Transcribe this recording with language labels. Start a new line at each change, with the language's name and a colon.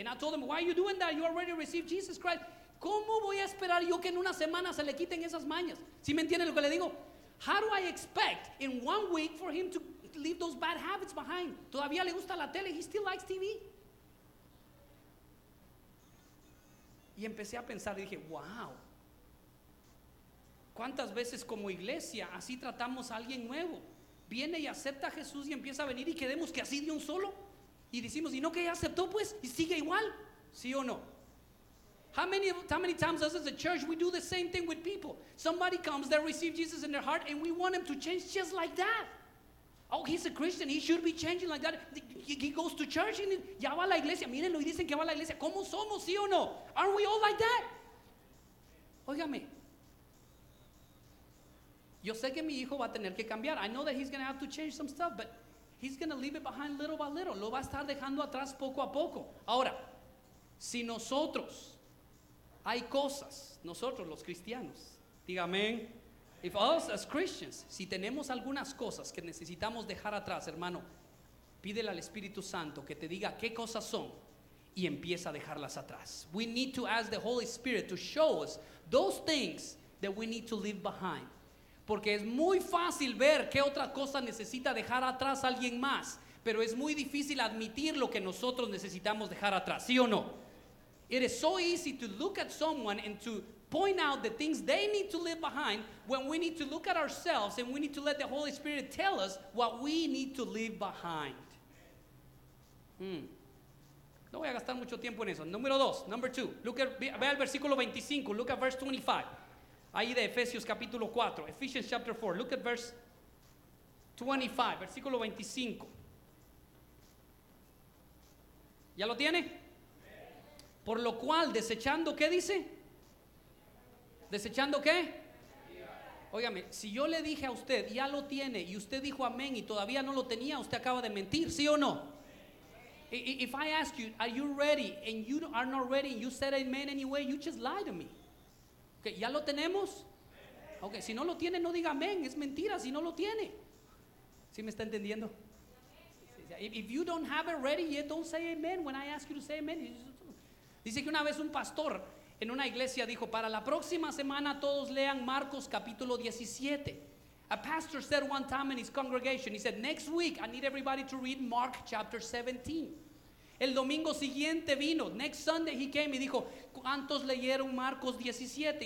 English: And I told him, why are you doing that? You already received Jesus Christ.
Spanish: ¿Cómo voy a esperar yo que en una semana se le quiten esas mañas? ¿Sí me entiende lo que le digo?
English: How do I expect in 1 week for him to leave those bad habits behind?
Spanish: Todavía le gusta la tele.
English: He still likes TV.
Spanish: Y empecé a pensar y dije, wow, ¿cuántas veces como iglesia así tratamos a alguien nuevo? Viene y acepta a Jesús y empieza a venir y quedemos que así de un solo. Y decimos, ¿y no que ya aceptó pues? ¿Y sigue igual? ¿Sí o no?
English: How many times us as a church we do the same thing with people? Somebody comes, they receive Jesus in their heart, and we want him to change just like that. Oh, he's a Christian, he should be changing like that. He goes to church and
Spanish: ya va a la iglesia. Mírenlo y dicen que va a la iglesia. ¿Cómo somos, sí o no?
English: Aren't we all like that?
Spanish: Óigame. Yo sé que mi hijo va a tener que cambiar.
English: I know that he's going to have to change some stuff, but he's going to leave it behind little by little.
Spanish: Lo va a estar dejando atrás poco a poco. Ahora, si nosotros, hay cosas, nosotros los cristianos, dígame,
English: if us as Christians,
Spanish: si tenemos algunas cosas que necesitamos dejar atrás, hermano, pídele al Espíritu Santo que te diga qué cosas son y empieza a dejarlas atrás.
English: We need to ask the Holy Spirit to show us those things that we need to leave behind.
Spanish: Porque es muy fácil ver qué otra cosa necesita dejar atrás alguien más, pero es muy difícil admitir lo que nosotros necesitamos dejar atrás, ¿sí o no?
English: It is so easy to look at someone and to point out the things they need to leave behind when we need to look at ourselves and we need to let the Holy Spirit tell us what we need to leave behind.
Spanish: No voy a gastar mucho tiempo en eso. Número dos,
English: number two. Look at,
Spanish: ve al versículo 25,
English: look at verse 25.
Spanish: Ahí de Efesios capítulo 4,
English: Ephesians chapter 4, look at verse 25,
Spanish: versículo 25. ¿Ya lo tiene? Por lo cual, desechando, ¿qué dice? ¿Desechando qué? Óigame, si yo le dije a usted, ya lo tiene, y usted dijo amén y todavía no lo tenía, usted acaba de mentir, ¿sí o no?
English: If I ask you, are you ready, and you are not ready, and you said amen anyway, you just lied to me.
Spanish: Okay, ¿ya lo tenemos? Ok, si no lo tiene, no diga amén, es mentira, si no lo tiene. ¿Sí me está entendiendo?
English: If you don't have it ready yet, don't say amen when I ask you to say amen.
Spanish: Dice que una vez un pastor en una iglesia dijo, para la próxima semana todos lean Marcos capítulo 17.
English: A pastor said one time in his congregation, he said, next week I need everybody to read Mark chapter 17.
Spanish: El domingo siguiente vino,
English: next Sunday he came
Spanish: y dijo, ¿cuántos leyeron Marcos 17?